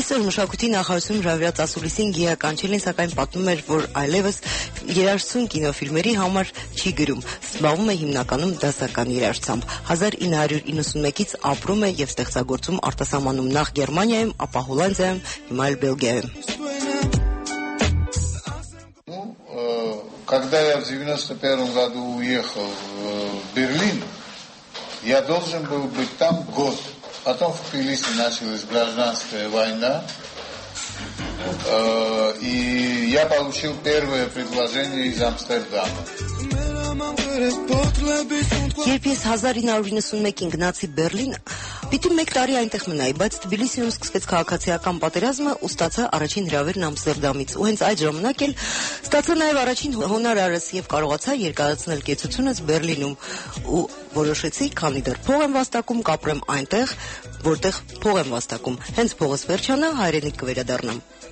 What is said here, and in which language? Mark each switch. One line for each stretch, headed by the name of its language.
Armenian: Այսօր մշակութի նախարարություն հրավիրած ասուլիսին գիհականչելին, սակայն պատմում էր, որ այլևս 30 կինոֆիլմերի համար չի գրում, զբաղվում է հիմնականում դասական երաժշտությամբ, 1991-ից ապրում է և ստեղծագործում արտասահմանում, նախ Գերմանիայում, ապա Հոլանդիայում, հիմա էլ Բելգիայում։
Russian: Когда я в 91-м году уехал в Берлин, я должен был быть там год. Потом в Тбилиси началась гражданская война, и я получил первое предложение из Амстердама.
Armenian: Երբ ես 1991-ին գնացի Բերլին, պիտի մեկ տարի այնտեղ մնայի, բայց Թբիլիսիում սկսվեց քաղաքացիական պատերազմը, ու ստացա առաջին հրավերն Ամստերդամից, ու հենց այդ ժամանակ էլ ստացա նաև առաջին հոնարարս և կարողացա երկարացնել կեցությունս Բերլինում, ու որոշեցի, քանի դեռ փող եմ վաստակում, կապրեմ այնտեղ, որտեղ փող եմ վաստակում, հենց փողս վերջանա, հայրենիք կվերադառնամ։